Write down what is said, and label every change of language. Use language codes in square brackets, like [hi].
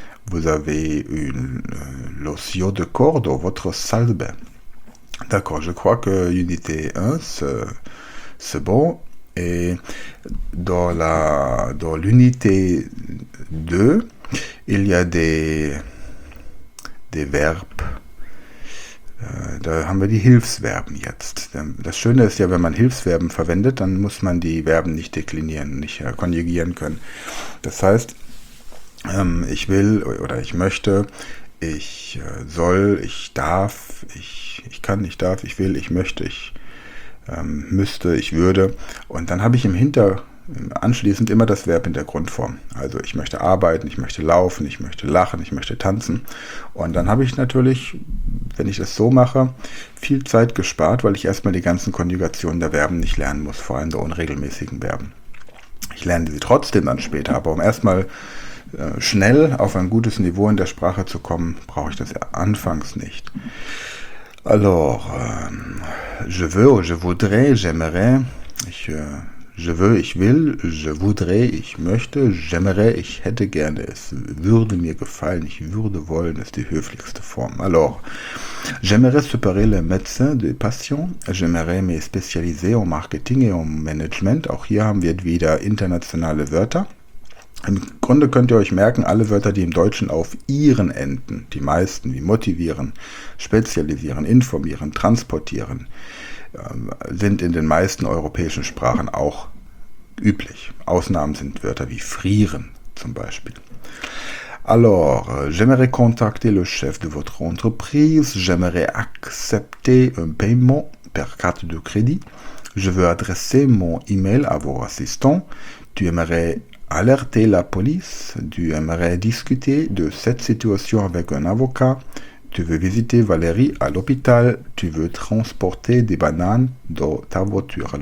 [fr] Vous avez une lotion de corps dans votre salle de bain. D'accord, je crois que unité 1, c'est bon. Et dans l'unité 2, il y a des verbes. [de] Da haben wir die Hilfsverben jetzt. Das Schöne ist ja, wenn man Hilfsverben verwendet, dann muss man die Verben nicht deklinieren, nicht konjugieren können. Das heißt, ich will oder ich möchte, ich soll, ich darf, ich kann, ich darf, ich will, ich möchte, ich müsste, ich würde. Und dann habe ich anschließend immer das Verb in der Grundform. Also ich möchte arbeiten, ich möchte laufen, ich möchte lachen, ich möchte tanzen. Und dann habe ich natürlich, wenn ich das so mache, viel Zeit gespart, weil ich erstmal die ganzen Konjugationen der Verben nicht lernen muss, vor allem der unregelmäßigen Verben. Ich lerne sie trotzdem dann später, aber um erstmal schnell auf ein gutes Niveau in der Sprache zu kommen, brauche ich das ja anfangs nicht. [fr] Alors, je veux, je voudrais, j'aimerais, je veux, [de] ich will, [fr] je voudrais, [de] ich möchte, [fr] j'aimerais, [de] ich hätte gerne, es würde mir gefallen, ich würde wollen, ist die höflichste Form. [fr] Alors, j'aimerais séparer les médecins des patients, j'aimerais me spécialiser en marketing et en management. [de] Auch hier haben wir wieder internationale Wörter. Im Grunde könnt ihr euch merken, alle Wörter, die im Deutschen auf ihren enden, die meisten, wie motivieren, spezialisieren, informieren, transportieren, sind in den meisten europäischen Sprachen auch üblich. Ausnahmen sind Wörter wie frieren zum Beispiel. [fr] Alors, j'aimerais contacter le chef de votre entreprise, j'aimerais accepter un paiement per carte de crédit, je veux adresser mon email à vos assistants, tu aimerais alerter la police, tu aimerais discuter de cette situation avec un avocat, tu veux visiter Valérie à l'hôpital, tu veux transporter des bananes dans ta voiture.